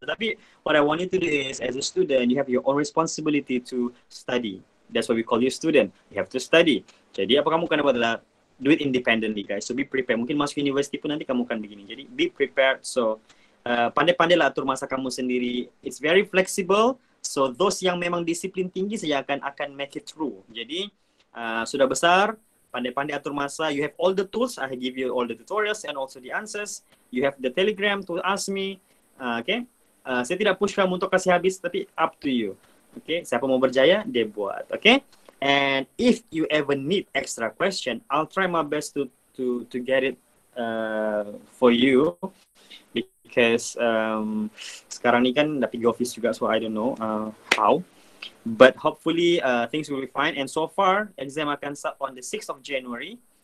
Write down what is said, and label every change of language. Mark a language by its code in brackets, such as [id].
[en] Tapi what I want you to do is, as a student, you have your own responsibility to study. That's why we call you student. You have to study. [ms] Jadi apa kamu kena buat adalah [en] do it independently, guys. So be prepared. [ms] Mungkin masuk universiti pun nanti kamu akan begini. Jadi [en] be prepared. [ms] So pandai-pandailah atur masa kamu sendiri. [en] It's very flexible. [ms] So those yang memang disiplin tinggi saja akan [en] make it through. [ms] Jadi sudah besar, pandai-pandai atur masa. [en] You have all the tools. I give you all the tutorials and also the answers. You have the Telegram to ask me. Okay. [ms] Saya tidak push kamu untuk kasih habis, tapi [en] up to you. [ms] Okay. Siapa mau berjaya, dia buat. Okay. [en] And if you ever need extra question, I'll try my best to get it for you. Because [ms] sekarang ni kan dah pergi office juga, [en] so I don't know how. But hopefully things will be fine. And so far, exam akan start on the 6th of January.